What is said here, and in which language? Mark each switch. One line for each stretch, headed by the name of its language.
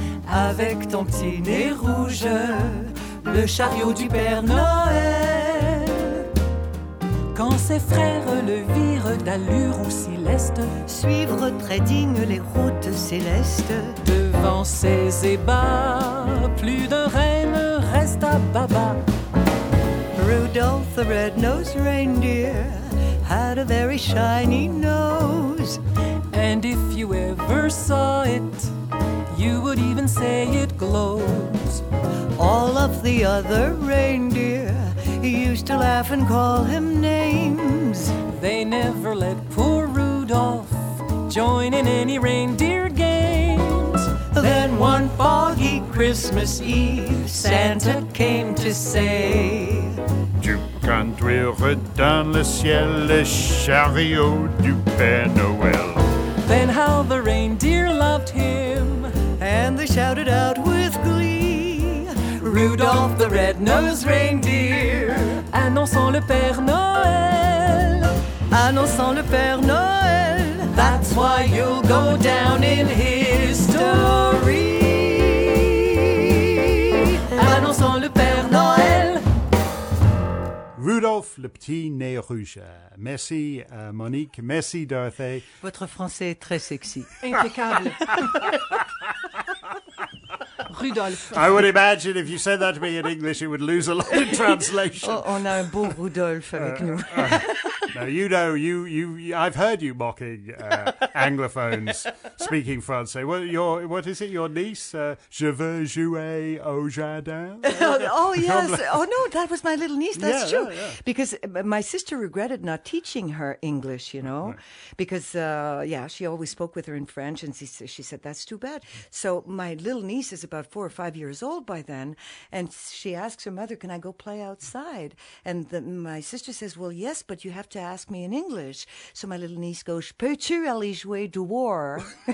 French: avec ton petit nez rouge, le chariot du Père Noël. Quand ses frères le virent d'allure ou céleste suivre très digne les routes célestes, devant ses ébats, plus d'un renne reste à baba.
English: Rudolph the red-nosed reindeer had a very shiny nose, and if you ever saw it, you would even say it glows. All of the other reindeer used to laugh and call him names. They never let poor Rudolph join in any reindeer games. Then one foggy Christmas Eve, Santa came to say:
French: tu conduiras dans le ciel le chariot du Père Noël.
English: Then how the reindeer loved him, and they shouted out with glee: Rudolph the red-nosed reindeer,
French: annonçant le Père Noël, annonçant le Père Noël.
English: That's why you'll go down in history,
French: annonçant le Père Noël. Rudolph le petit nez rouge. Merci Monique, merci Dorothée. Votre français est très sexy. Impeccable. Rudolph.
English: I would imagine if you said that to me in English, it would lose a lot of translation.
French: Oh, on a un beau Rudolph avec nous.
English: Now, you know, you, I've heard you mocking anglophones speaking French. Well, what is it, your niece?
French: Je veux jouer au jardin?
English: Oh, yes. Oh, no, that was my little niece. That's true. Yeah. Because my sister regretted not teaching her English, you know, because, she always spoke with her in French, and she said, that's too bad. So my little niece is about 4 or 5 years old by then, and she asks her mother, can I go play outside? And my sister says, well, yes, but you have to ask me in English. So my little niece goes,
French: peux-tu aller jouer dehors?